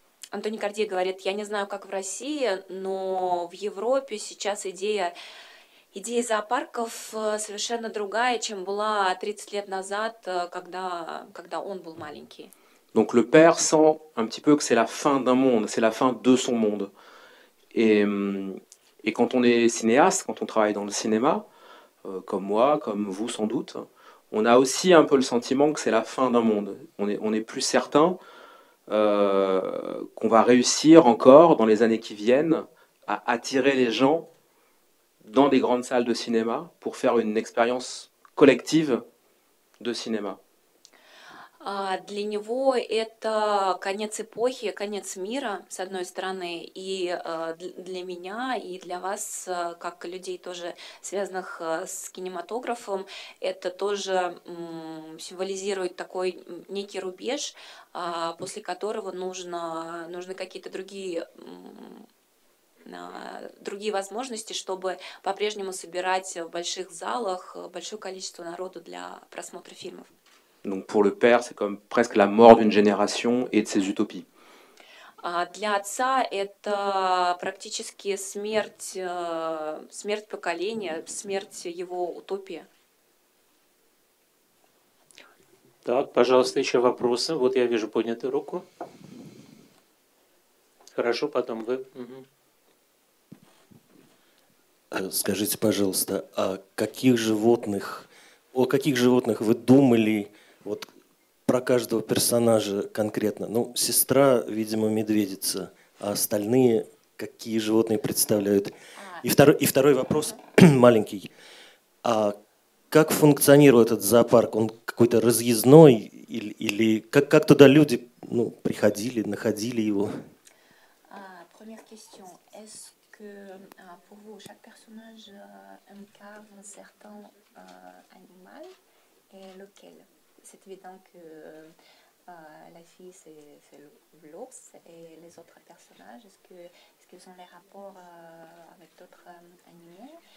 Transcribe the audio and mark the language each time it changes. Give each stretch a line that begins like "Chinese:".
Russian: Антони Карди говорит, я не знаю, как в России, но в Европе сейчас идея зоопарков совершенно другая, чем была 30 лет назад, когда он был маленький.
French: Donc le père sent un petit peu que c'est la fin d'un monde, c'est la fin de son monde. Et quand on est cinéaste, quand on travaille dans le cinéma, comme moi, comme vous sans doute, on a aussi un peu le sentiment que c'est la fin d'un monde. On est plus certain qu'on va réussir encore dans les années qui viennent à attirer les gens dans des grandes salles de cinéma pour faire une expérience collective de cinéma.
Russian: Для него это конец эпохи, конец мира, с одной стороны, и для меня, и для вас, как людей тоже связанных с кинематографом, это тоже символизирует такой некий рубеж, после которого нужны какие-то другие возможности, чтобы по-прежнему собирать в больших залах большое количество народу для просмотра фильмов.
French: Donc pour le père, c'est comme presque la mort d'une génération et de ses utopies.
Russian: Для отца это практически смерть поколения, смерть его утопии. Так, пожалуйста, еще вопросы. Вот я вижу поднятую руку. Хорошо, потом вы. Угу. Скажите, пожалуйста, о каких животных вы думали? Вот про каждого персонажа конкретно. Ну, сестра, видимо, медведица, а остальные какие животные представляют? И второй вопрос маленький. А как функционирует этот зоопарк? Он какой-то разъездной или как туда люди, ну, приходили, находили его?
French: Première question. Est-ce que pour vous chaque personnage incarne un certain animal et lequel? C'est évident que la fille, c'est l'ours et les autres personnages. Est-ce qu'ils ont des rapports avec d'autres animaux?